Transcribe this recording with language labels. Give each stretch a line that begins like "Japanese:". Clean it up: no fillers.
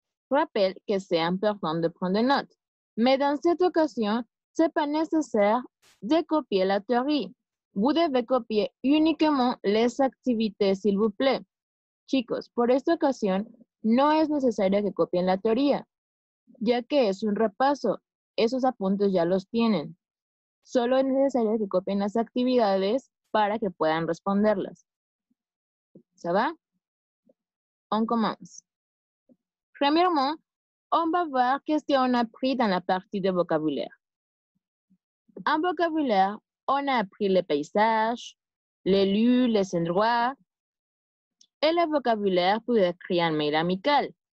French: Rappelle que c'est important de prendre note, mais dans cette occasion, ce n'est pas nécessaire de copier la théorie. Vous devez copier uniquement les activités, s'il vous plaît.
Spanish: Chicos, por esta ocasión, no es necesario que copien la teoría, ya que es un repaso. Esos apuntes ya los tienen. Solo es necesario que copien las actividades para que puedan responderlas. ¿Se va?
French: On commence. Premièrement, on va voir qu'est-ce qu'on a appris dans la partie de vocabulaire. En vocabulaire, on a appris les paysages, les lieux, les endroits et le vocabulaire pour écrire un mail amical.